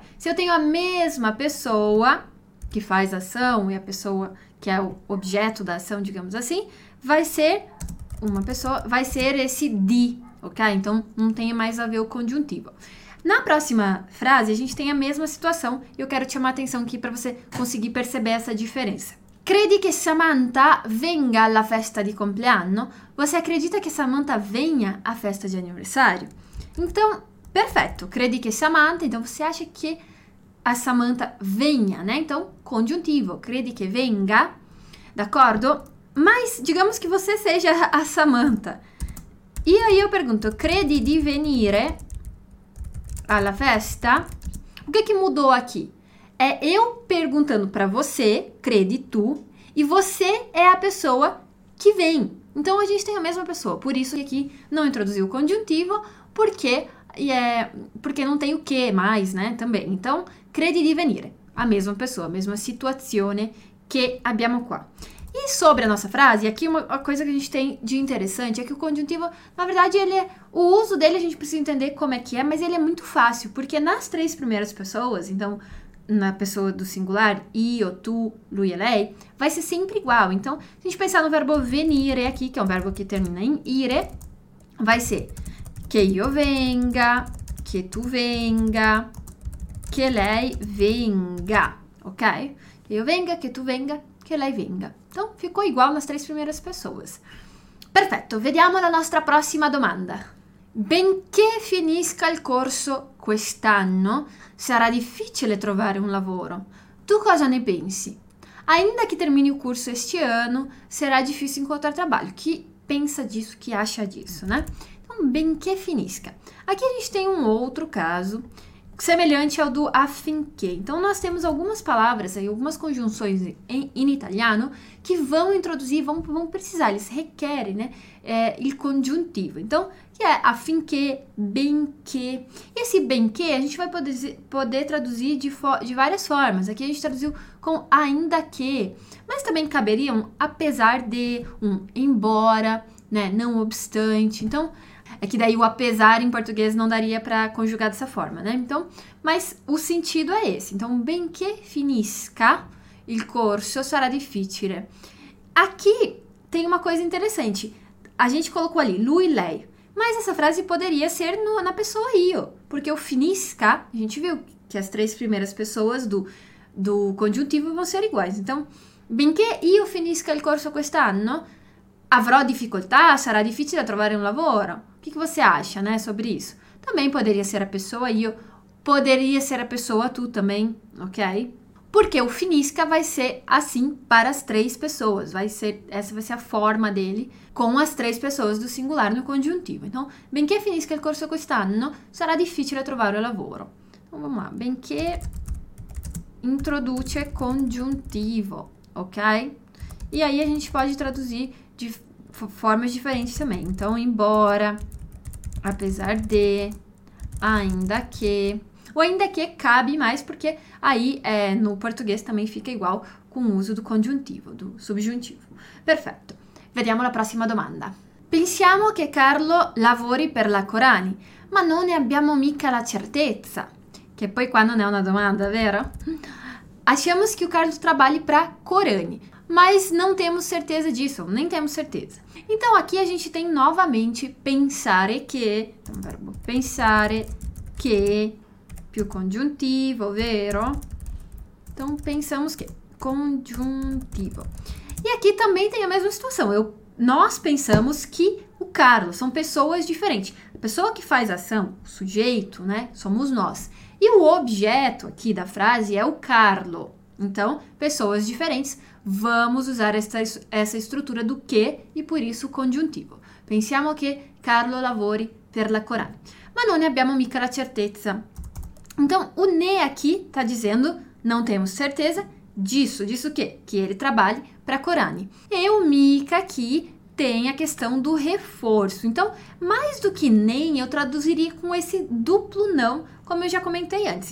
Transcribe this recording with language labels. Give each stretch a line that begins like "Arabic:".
Portuguese: Se eu tenho a mesma pessoa que faz a ação e a pessoa que é o objeto da ação, digamos assim, vai ser uma pessoa, vai ser esse di, ok? Então não tem mais a ver o conjuntivo. Na próxima frase, a gente tem a mesma situação e eu quero chamar a atenção aqui para você conseguir perceber essa diferença.
Italian: Credi che Samantha venga alla festa di compleanno?
Portuguese: Você acredita que Samantha venha à festa de aniversário? Então, perfetto.
Italian: Credi che Samantha,
Portuguese: então você acha que a Samantha venha, né? Então, conjuntivo.
Italian: Credi che venga, d'accordo?
Portuguese: Mas digamos que você seja a Samantha. E aí eu pergunto,
Italian: credi di venire alla festa?
Portuguese: O que que mudou aqui? É eu perguntando para você, credi tu, e você é a pessoa que vem. Então a gente tem a mesma pessoa, por isso que aqui não introduziu o conjuntivo, porque não tem o que mais, né? Também. Então,
Italian: credi di venire,
Portuguese: a mesma pessoa, a mesma situazione que abbiamo qua. E sobre a nossa frase, aqui uma coisa que a gente tem de interessante é que o conjuntivo, na verdade, o uso dele a gente precisa entender como é que é, mas ele é muito fácil, porque nas três primeiras pessoas, então na pessoa do singular, io, tu, lui e lei, vai ser sempre igual. Então, se a gente pensar no verbo venire aqui, que é um verbo que termina em ire, vai ser
Italian: che io venga, che tu venga, che lei venga,
Portuguese: ok?
Italian: Che io venga, che tu venga, che lei venga.
Portuguese: Então, ficou igual nas três primeiras pessoas.
Italian: Perfetto, vediamo la nostra prossima domanda. Benché finisca il corso quest'anno, sarà difficile trovare un lavoro. Tu cosa ne pensi? Ainda che termini il corso este anno, sarà difficile incontrare lavoro.
Portuguese: Chi pensa disso, chi acha disso, né? Então, benché finisca. Aqui a gente tem um outro caso, semelhante ao do affinché. Então, nós temos algumas palavras aí, algumas conjunções em italiano que vão introduzir, vão precisar, eles requerem, né? Il conjuntivo. Então, que é affinché, benché. E esse benché a gente vai poder traduzir de várias formas. Aqui a gente traduziu com ainda que, mas também caberiam apesar de, embora, né? Não obstante. Então, é que daí o apesar em português não daria para conjugar dessa forma, né? Então, mas o sentido é esse. Então, benché finisca il corso, sarà difficile. Aqui tem uma coisa interessante. A gente colocou ali, lui, lei. Mas essa frase poderia ser no, na pessoa io. Porque o finisca, a gente viu que as três primeiras pessoas do conjuntivo vão ser iguais.
Italian: Então, benché io finisca il corso quest'anno, avrò difficoltà, sarà difficile trovare un lavoro.
Portuguese: O que você acha, né, sobre isso? Também poderia ser a pessoa io, poderia ser a pessoa tu também, ok? Porque o finisca vai ser assim para as três pessoas, essa vai ser a forma dele com as três pessoas do singular no conjuntivo. Então, benché finisca il corso quest'anno, sarà difficile trovare lavoro. Então, vamos lá, benché introduce conjuntivo, ok? E aí a gente pode traduzir de formas diferentes também. Então, embora, apesar de, ainda que. O ainda que cabe mais, porque aí no português também fica igual com o uso do conjuntivo, do subjuntivo.
Italian: Perfetto. Vediamo la prossima domanda. Pensiamo che Carlo lavori per la Corani, ma non ne abbiamo mica la certezza. Che poi qua non è una domanda, vero?
Portuguese: Achamos que o Carlos trabalhe para Corani, mas não temos certeza disso, nem temos certeza. Então aqui a gente tem novamente pensare che, então
Italian: verbo pensare che più congiuntivo, vero?
Portuguese: Então pensamos che, congiuntivo. E aqui também tem a mesma situação. Nós pensamos que o Carlos são pessoas diferentes. A pessoa que faz a ação, o sujeito, né? Somos nós. E o objeto aqui da frase é o Carlo. Então, pessoas diferentes, vamos usar essa estrutura do que e por isso o conjuntivo.
Italian: Pensiamo che Carlo lavori per la Corani. Ma non ne abbiamo mica la certezza.
Portuguese: Então, o ne aqui está dizendo não temos certeza disso. Disso o quê? Que ele trabalhe para Corani. E o mica aqui tem a questão do reforço. Então, mais do que nem, eu traduziria com esse duplo não, como eu já comentei antes.